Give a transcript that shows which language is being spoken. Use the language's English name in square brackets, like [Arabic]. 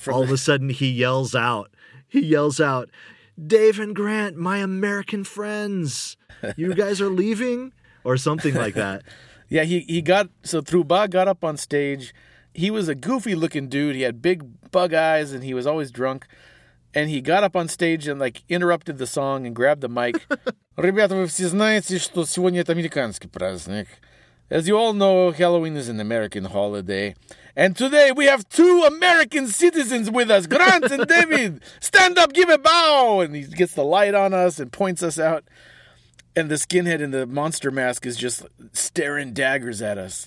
[English] And all of a sudden he yells out, Dave and Grant, my American friends, you guys are leaving, or something like that. Yeah, he got, so Truba got up on stage. He was a goofy looking dude. He had big bug eyes and he was always drunk. And he got up on stage and, like, interrupted the song and grabbed the mic. [Russian] Ребята, вы все знаете, что сегодня это американский праздник. [English] As you all know, Halloween is an American holiday. And today we have two American citizens with us, Grant and David. Stand up, give a bow. And he gets the light on us and points us out. And the skinhead in the monster mask is just staring daggers at us.